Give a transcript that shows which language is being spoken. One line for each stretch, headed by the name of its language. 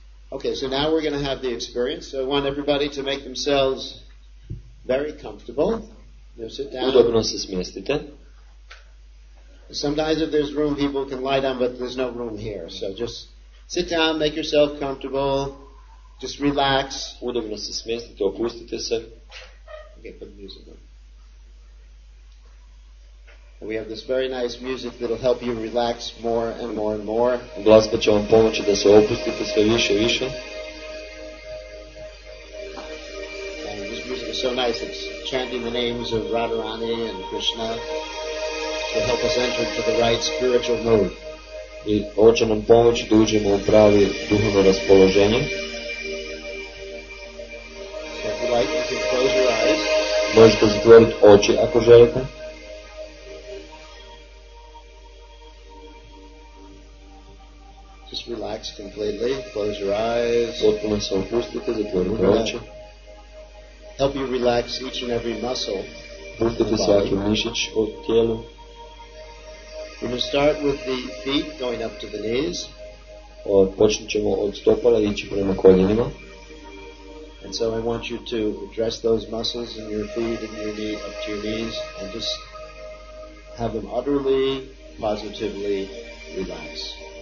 English: Okay, so now we're going to have the experience. So I want everybody to make themselves very comfortable. You know, sit down.
Croatian: Udobno se smjestite.
English: Sometimes if there's room, people can lie down, but there's no room here. So just sit down, make yourself comfortable. Just relax.
Croatian: Udobno se smjestite, opustite se.
English: Okay, put the music on. We have this very nice music that will help you relax more and more and more.
Croatian: Glasba će vam pomoći da se opustite sve više i više.
English: And this music is so nice. It's chanting the names of Radharani and Krishna to help us enter into the right spiritual mood.
Croatian: I ovo će nam pomoći da uđemo u pravi duhovno raspoloženje.
English: So if you like, you can close your eyes.
Croatian: Možete zatvoriti oči ako želite.
English: Relax completely. Close your eyes.
Croatian: Potpuno se opustite, zatvorite oči.
English: Help you relax each and every muscle.
Croatian: Pustite svaki mišić u tijelu.
English: We're going to start with the feet going up to the knees.
Croatian: počnut ćemo od stopala ići prema koljenima.
English: And so I want you to address those muscles in your feet and your knee up to your knees and just have them utterly, positively relax.